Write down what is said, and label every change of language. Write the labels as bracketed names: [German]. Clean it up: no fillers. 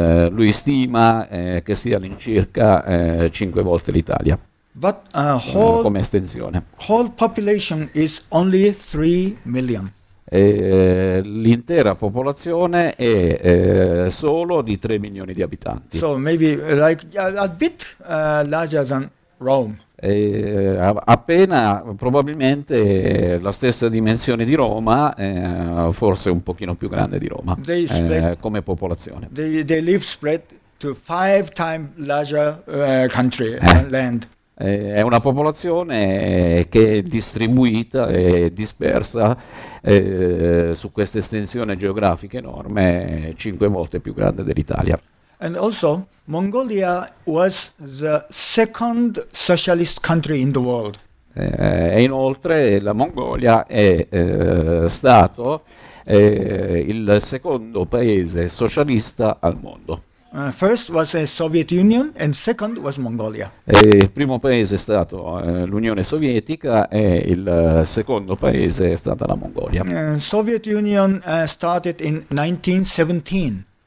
[Italian] Lui stima che sia all'incirca 5 volte l'Italia. [English] But [Italian] come estensione. [English] Whole population is only 3 million. [Italian] L'intera popolazione è solo di 3 milioni di abitanti. [English] So maybe like a bit larger than Rome. [Italian] Appena probabilmente la stessa dimensione di Roma, forse un pochino più grande di Roma. [English] They spread, [Italian] come popolazione. [English] They live spread to 5 times larger country land. [Italian] È una popolazione che è distribuita e dispersa su questa estensione geografica enorme, 5 volte più grande dell'Italia. [English] And also, Mongolia was the second socialist country in the world. [Italian] E inoltre la Mongolia è stato il secondo paese socialista al mondo. [English] First was the Soviet Union and second was Mongolia. [Italian] Il primo paese è stato l'Unione Sovietica e il secondo paese è stata la Mongolia. [English] Soviet Union started in 1917.